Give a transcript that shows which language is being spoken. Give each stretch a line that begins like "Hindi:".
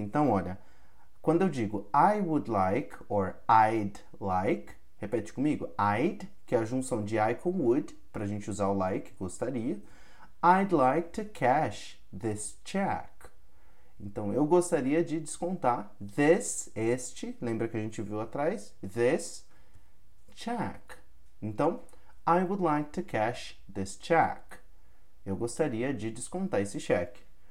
Portuguese: Então, olha, quando eu digo
English: I would like or I'd like,
Portuguese: repete comigo, I'd, que é a junção de I com would, para a gente usar o like, gostaria.
English: I'd like to cash this check.
Portuguese: Então, eu gostaria de descontar this, este, lembra que a gente viu atrás?
English: This check. Então, I would like to cash this check.
Portuguese: Eu gostaria de descontar esse cheque.